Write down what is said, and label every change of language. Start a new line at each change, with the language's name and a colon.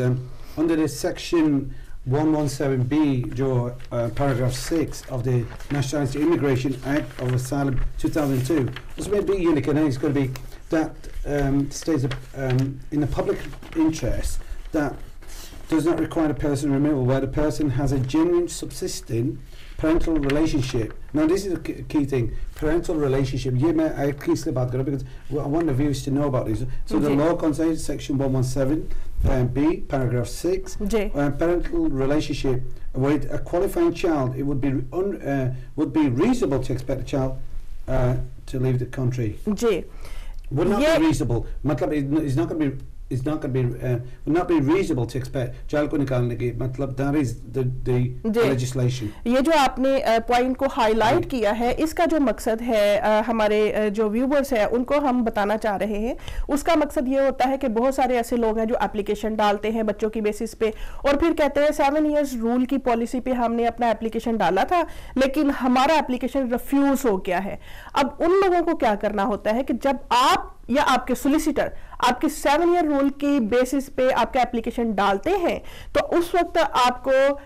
English: under the section 117B
Hindi: जो
English: paragraph 6 of the Nationality Immigration Act of Asylum 2002
Hindi: उसमें भी ये लिखा है,
English: It's gonna be that stage in the public interest that does not require a person removal where the person has a genuine subsisting parental relationship. Now this is a key thing, parental relationship. You may I can slip out because well, I want the viewers to know about this. So the law concerns section 117 B paragraph 6 parental relationship with a qualifying child. It would be would be reasonable to expect the child to leave the country. Jay would not be reasonable.
Hindi: Matlab,
English: it's not going to be is not going to be would not be reasonable to expect child
Hindi: ko nikalne ke matlab
English: that is the legislation
Hindi: ye jo aapne point ko highlight kiya hai iska jo maqsad hai hamare jo viewers hai unko hum batana cha rahe hain uska maqsad ye hota hai ki bahut sare aise log hain jo application dalte hain bachcho ki basis pe aur phir kehte hain 7 years rule ki policy pe humne apna application dala tha lekin hamara application refuse ho gaya hai ab un logon ko kya karna hota hai ki jab aap या आपके solicitor आपके 7 year rule के basis पे आपका application डालते हैं तो उस वक्त आपको